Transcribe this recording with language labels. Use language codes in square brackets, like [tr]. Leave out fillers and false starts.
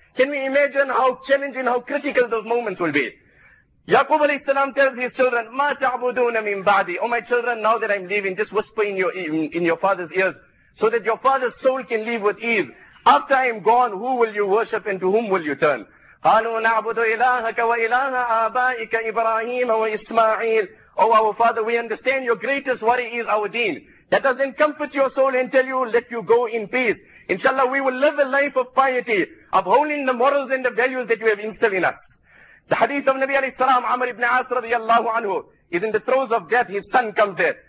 [en] Can we imagine how challenging, how critical those moments will be? Yaqub alayhi salam tells his children, [ar] Ma ta'buduna min ba'di. [en] Oh my children, now that I'm leaving, just whisper in your father's ears, so that your father's soul can live with ease. After I'm gone, who will you worship and to whom will you turn? [ar] قالوا نعبد إلهك وإله آبائك إبراهيم وإسماعيل. [en] Oh our father, we understand your greatest worry is our deen. That doesn't comfort your soul and tell you, let you go in peace. Inshallah, we will live a life of piety, upholding the morals and the values that you have instilled in us. The hadith of Nabi alayhi salam, Amr ibn As radiallahu anhu, is in the throes of death, his son comes there.